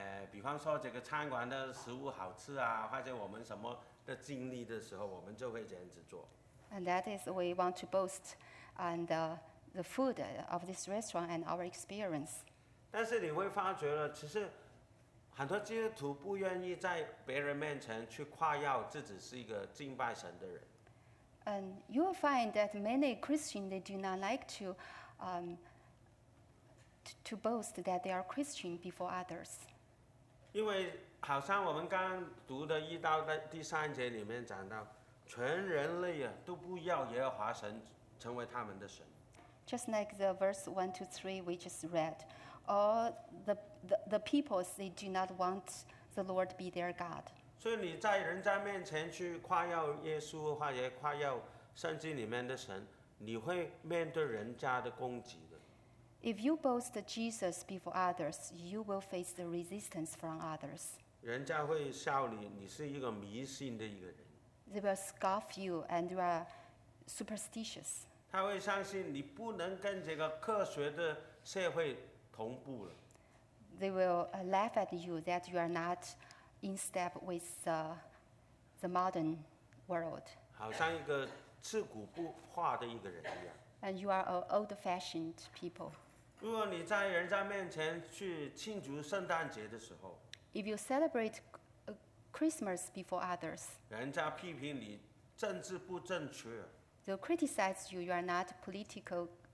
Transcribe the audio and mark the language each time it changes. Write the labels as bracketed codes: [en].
[zh] 比方说这个餐馆的食物好吃啊，或者我们什么的经历的时候，我们就会这样子做。 [en] And that is we want to boast on the food of this restaurant and our experience. [zh] 但是你会发觉了，其实很多基督徒不愿意在别人面前去夸耀自己是一个敬拜神的人。 [en] And you will find that many Christians they do not like to boast that they are Christian before others. [zh] 因为好像我们刚读的一到第三节里面讲到，全人类啊都不要耶和华神成为他们的神。 [en] Just like the verse 1-3 we just read, all the peoples they do not want the Lord be their God. [zh] 所以你在人家面前去夸耀耶稣或者夸耀圣经里面的神，你会面对人家的攻击的。 [en] If you boast Jesus before others, you will face the resistance from others. [zh] 人家会笑你，你是一个迷信的一个人。 [en] They will scoff you and you are superstitious. [zh] 他会相信你不能跟这个科学的社会同步了。 [en] They will laugh at you that you are not in step with the modern world. [zh] 好像一个自古不化的一个人一样。 [en] And you are an old-fashioned people. [zh] 如果你在人家面前去庆祝圣诞节的时候， [en] If you celebrate Christmas before others, [zh] 人家批评你政治不正确， [en] They'll criticize you, you are not political correctness.